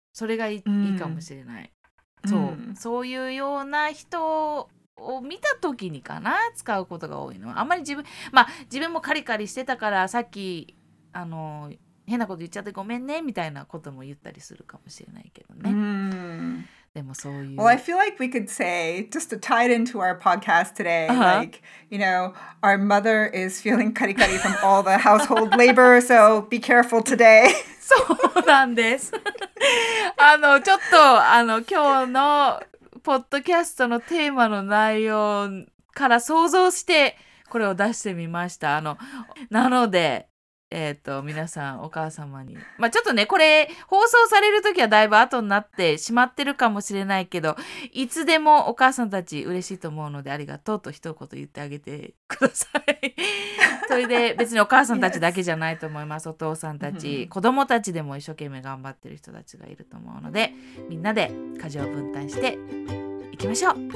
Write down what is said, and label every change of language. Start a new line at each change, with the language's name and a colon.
Japanese: それがいいかもしれない。そう、うん。そういうような人を見た時にかな、使うことが多いの。あんまり自分、まあ自分もカリカリしてたから、さっき、あの、変なこと言っちゃってごめんねみたいなことも言ったりするかもしれないけどね。でもそういう。
English: Well, I feel like we could say, just to tie it into our podcast today,、uh-huh. like, you know, our mother is feeling カリカリ from all the household labor, so be careful today.
Japanese: そうなんです。あの、ちょっと、あの、今日のポッドキャストのテーマの内容から想像してこれを出してみました。あの、なので、皆さんお母様に、まあ、ちょっとねこれ放送されるときはだいぶ後になってしまってるかもしれないけどいつでもお母さんたち嬉しいと思うのでありがとうと一言言ってあげてくださいそれで別にお母さんたちだけじゃないと思います、
English: yes.
Japanese: お父さんたち子供たちでも一生懸命頑張ってる人たちがいると思うのでみんなで家事を分担していきましょう